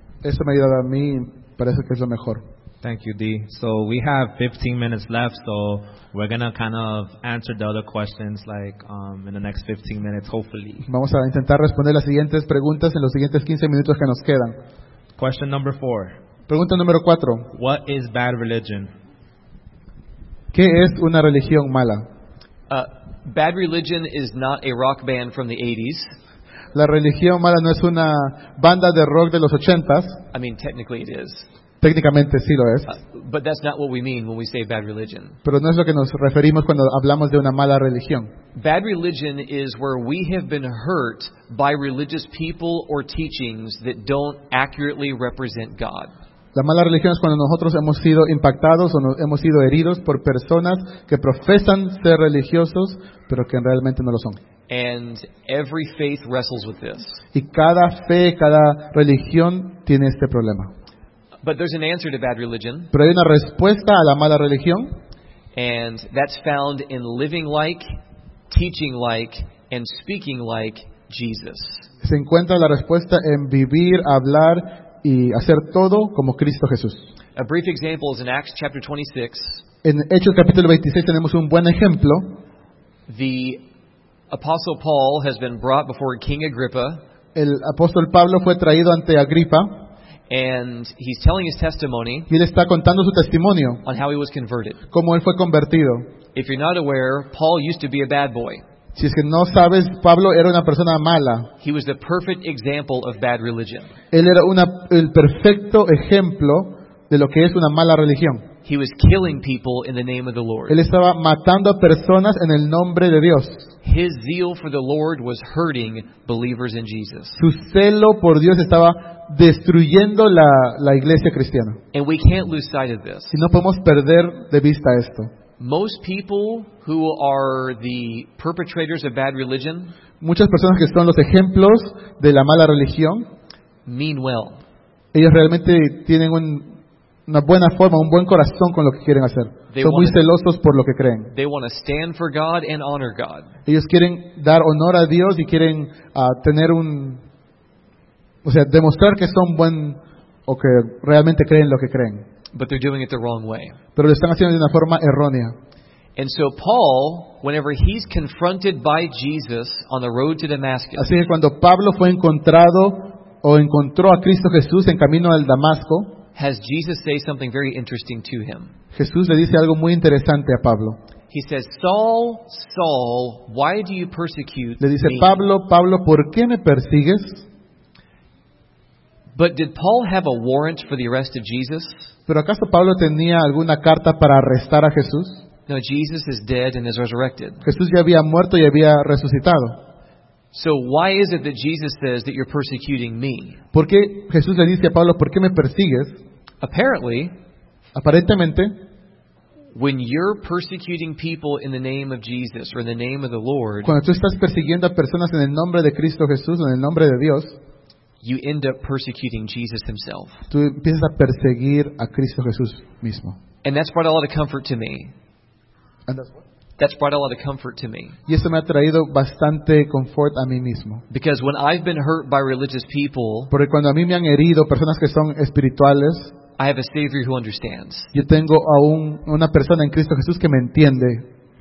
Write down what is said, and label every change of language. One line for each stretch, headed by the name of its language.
Spanish: Eso me ha ayudado a mí, parece que es lo mejor.
English: Thank you, Dee. So we have 15 minutes left, so we're gonna kind of answer the other questions like in the next 15 minutes, hopefully.
Spanish: Vamos a intentar responder las siguientes preguntas en los siguientes 15 minutos que nos quedan.
English: Question number 4.
Spanish: Pregunta número 4.
English: What is bad religion?
Spanish: ¿Qué es una religión mala?
English: Bad religion is not a rock band from the 80s.
Spanish: La religión mala no es una banda de rock de los 80s.
English: I mean, technically it is.
Spanish: Técnicamente sí lo es.
English: But that's not what we mean when we say bad religion.
Spanish: Pero no es lo que nos referimos cuando hablamos de una mala religión.
English: Bad religion is where we have been hurt by religious people or teachings that don't accurately represent God.
Spanish: La mala religión es cuando nosotros hemos sido impactados o hemos sido heridos por personas que profesan ser religiosos, pero que realmente no lo son.
English: And every faith wrestles with this.
Spanish: Y cada fe, cada religión tiene este problema.
English: But there's an answer to bad religion.
Spanish: Pero hay una respuesta a la mala religión.
English: And that's found in living like, teaching like, and speaking like Jesus.
Spanish: Se encuentra la respuesta en vivir, hablar y hacer todo como Cristo Jesús.
English: A brief example is in Acts chapter 26.
Spanish: En Hechos capítulo 26 tenemos un buen ejemplo.
English: The Apostle Paul has been brought before King Agrippa.
Spanish: El apóstol Pablo fue traído ante Agripa.
English: And he's telling his testimony.
Spanish: Y él está contando su testimonio.
English: On how he was converted.
Spanish: Cómo él fue convertido.
English: If you're not aware, Paul used to be a bad boy.
Spanish: Si es que no sabes, Pablo era una persona mala.
English: He was the perfect example of bad religion.
Spanish: Él era el perfecto ejemplo de lo que es una mala religión.
English: He was killing people in the name of the Lord.
Spanish: Él estaba matando a personas en el nombre de Dios.
English: His zeal for the Lord was hurting believers in Jesus.
Spanish: Su celo por Dios estaba destruyendo la iglesia cristiana.
English: And we can't lose sight of this.
Spanish: Y no podemos perder de vista esto.
English: Most people who are the perpetrators of bad religion,
Spanish: muchas personas que son los ejemplos de la mala religión,
English: mean well.
Spanish: Ellos realmente tienen una buena forma, un buen corazón con lo que quieren hacer.
English: They
Spanish: son muy celosos por lo que creen.
English: They want to stand for God and honor God.
Spanish: Ellos quieren dar honor a Dios y quieren tener un... O sea, demostrar que son buen o que realmente creen lo que creen.
English: But they're doing it the wrong way.
Spanish: Pero lo están haciendo de una forma errónea.
English: And so Paul, whenever he's confronted by Jesus on the road to Damascus,
Spanish: así que cuando Pablo fue encontrado o encontró a Cristo Jesús en camino al Damasco,
English: has Jesus say something very interesting to him.
Spanish: Jesús le dice algo muy interesante a Pablo.
English: He says, "Saul, Saul, why do you persecute me?"
Spanish: Le dice Pablo, Pablo, ¿por qué me persigues?
English: But did Paul have a warrant for the arrest of Jesus?
Spanish: ¿Pero acaso Pablo tenía alguna carta para arrestar a Jesús?
English: No, Jesus is dead and is resurrected.
Spanish: Jesús ya había muerto y había resucitado.
English: So why is it that Jesus says that you're persecuting me?
Spanish: ¿Por qué Jesús le dice a Pablo, ¿por qué me persigues?
English: Apparently,
Spanish: aparentemente,
English: when you're persecuting people in the name of Jesus or in the name of the Lord,
Spanish: cuando tú estás persiguiendo a personas en el nombre de Cristo Jesús o en el nombre de Dios,
English: you end up persecuting Jesus himself.
Spanish: Tú empiezas a perseguir a Cristo Jesús mismo.
English: And that's brought a lot of comfort to me. And that's what? That's brought a lot of comfort to me.
Spanish: Y eso me ha traído bastante confort a mí mismo.
English: Because when I've been hurt by religious people,
Spanish: porque cuando a mí me han herido personas que son espirituales,
English: I have a Savior who understands.
Spanish: Yo tengo a una persona en Cristo Jesús que me entiende.